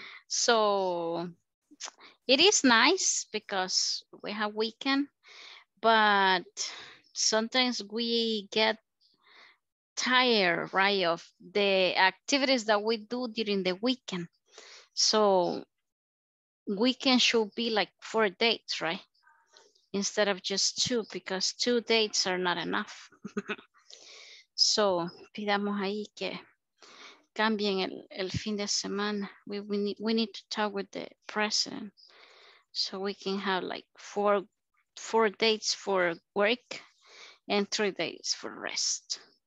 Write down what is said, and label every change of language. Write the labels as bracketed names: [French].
[English] So it is nice because we have weekend, but sometimes we get tired, right, of the activities that we do during the weekend. So weekend should be like 4 dates, right? Instead of just 2, because 2 dates are not enough. [Spanish] So, pidamos ahí que cambien el fin de semana. [English] We need to talk with the president so we can have like four dates for work and 3 days for rest.